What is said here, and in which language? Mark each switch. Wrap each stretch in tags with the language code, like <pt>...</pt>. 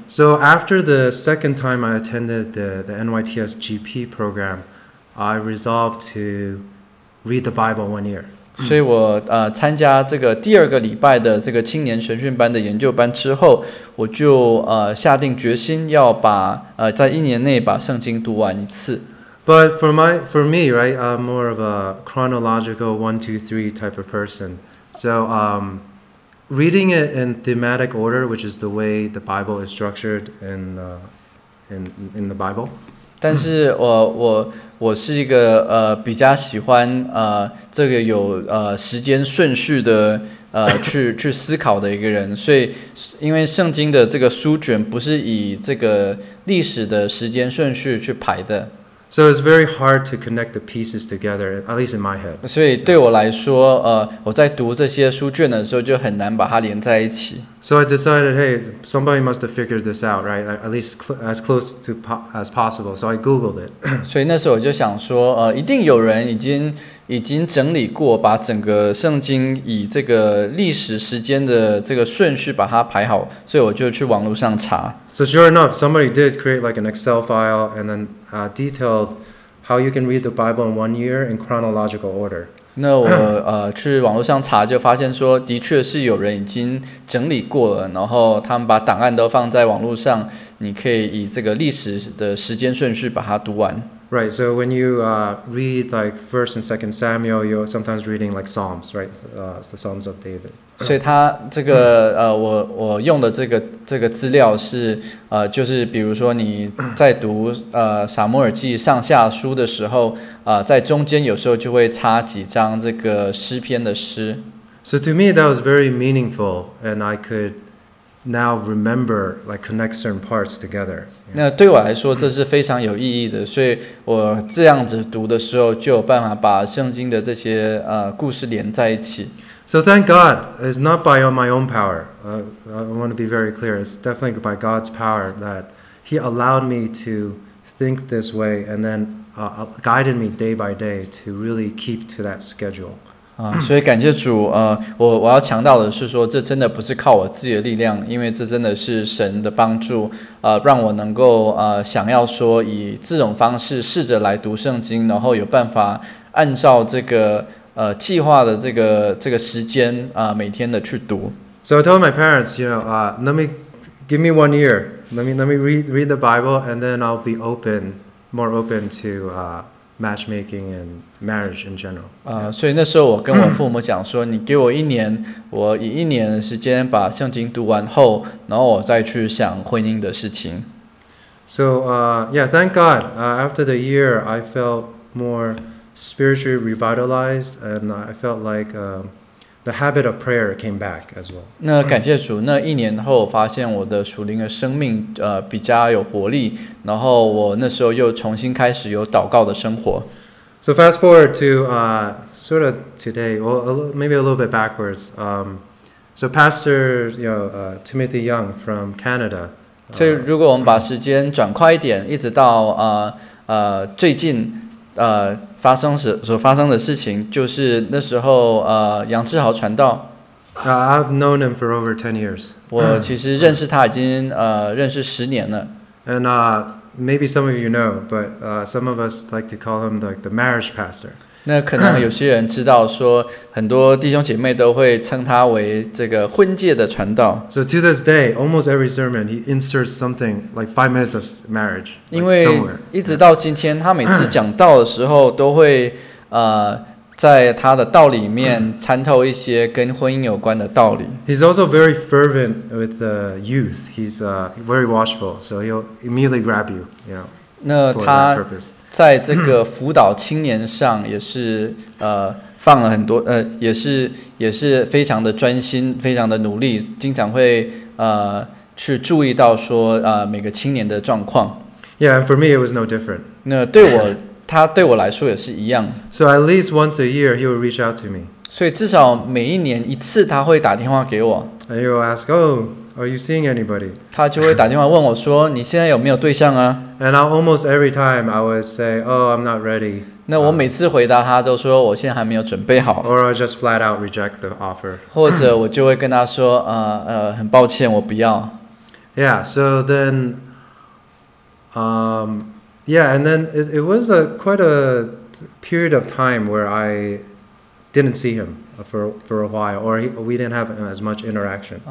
<en>So after the second time I attended the NYTS GP program, I resolved to read the Bible 1 year.</en> <zh>所以我参加这个第二个礼拜的这个青年神训班的研究班之后，我就下定决心要把在一年内把圣经读完一次。</zh> <en>But for me, right, I'm more of a chronological 1-2-3 type of person. So reading it in thematic order, which is the way the Bible is structured in the Bible.</en> <zh>但是我是一个比较喜欢这个有时间顺序的去思考的一个人，所以因为圣经的这个书卷不是以这个历史的时间顺序去排的。</zh> <en>So it's very hard to connect the pieces together, at least in my head.</en> <zh>所以对我来说，我在读这些书卷的时候就很难把它连在一起。</zh> <en>So I decided, hey, somebody must have figured this out, right? At least as close to as possible. So I Googled it.</en> <zh>所以那时候我就想说，一定有人已经整理过，把整个圣经以这个历史时间的这个顺序把它排好。所以我就去网络上查。</zh> <en>So sure enough, somebody did create like an Excel file and then detailed how you can read the Bible in 1 year in chronological order.</en> <zh>那我去网络上查就发现说，的确是有人已经整理过了，然后他们把档案都放在网络上，你可以以这个历史的时间顺序把它读完。</zh> <en>Right, so when you read like 1st and 2nd Samuel, you're sometimes reading like Psalms, right? It's the Psalms of David.</en> <zh>所以他这个我用的这个资料是就是比如说你在读撒母耳记上下书的时候，在中间有时候就会插几张这个诗篇的诗。</zh> <en>So to me that was very meaningful and I could now remember like connect certain parts together.</en> <zh>那对我来说这是非常有意义的，所以我这样子读的时候就有办法把圣经的这些故事连在一起。</zh> <en>So thank God, it's not by my own power. I want to be very clear. It's definitely by God's power that He allowed me to think this way and then guided me day by day to really keep to that schedule.</en> <zh>所以感谢主，我要强调的是说，这真的不是靠我自己的力量，因为这真的是神的帮助，让我能够想要说以这种方式试着来读圣经，然后有办法按照这个计划的这个时间每天的去读。</zh> <en>So I told my parents, you know, give me 1 year, let me read the Bible, and then I'll be more open to matchmaking and marriage in general.</en> <zh>所以那时候我跟我父母讲说，你给我一年，我以一年的时间把圣经读完后，然后我再去想婚姻的事情。</zh> <en>So yeah, thank God. After the year, I felt more spiritually revitalized, and I felt like the habit of prayer came back as well.</en> <zh>那感谢主，那一年后我发现我的属灵的生命比较有活力，然后我那时候又重新开始有祷告的生活。</zh> <en>So fast forward to sort of today, well, maybe a little bit backwards. So Pastor, you know, Timothy Young from Canada.</en> <zh>所以如果我们把时间转快一点，一直到最近发生的事情，就是那时候杨志豪传道。</zh> <en>I've known him for over 10 years.</en> <zh>我其实认识他已经认识十年了。</zh> <en>And maybe some of you know, but some of us like to call him like the marriage pastor.</en> <zh>那可能有些人知道说，很多弟兄姐妹都会称他为这个婚戒的传道。</zh> <en>So to this day, almost every sermon, he inserts something like 5 minutes of marriage.</en> <zh>因为一直到今天，他每次讲道的时候都会在他的道里面参透一些跟婚姻有关的道理。</zh> <en>He's also very fervent with the youth. He's very watchful, so he'll immediately grab you, you know.</en> <zh>那他在这个辅导青年上也是放了很多也是非常的专心，非常的努力，经常会去注意到说每个青年的状况。</zh> <en>Yeah, and for me it was no different.</en> <zh>那对我。他对我来说也是一样。</zh> <en>So at least once a year, he will reach out to me.</en> <zh>所以至少每一年一次，他会打电话给我。</zh> <en>And he will ask, "Oh, are you seeing anybody?"</en> <zh>他就会打电话问我说，你现在有没有对象啊？</zh> <en>And almost every time, I would say, "Oh, I'm not ready."</en> <zh>那我每次回答他都说，我现在还没有准备好。</zh> <en>Or I just flat out reject the offer.</en> <zh>或者我就会跟他说，很抱歉，我不要。</zh> <en>Yeah. So then, Yeah, and then it was quite a period of time where I didn't see him for a while, or we didn't have as much interaction.</en>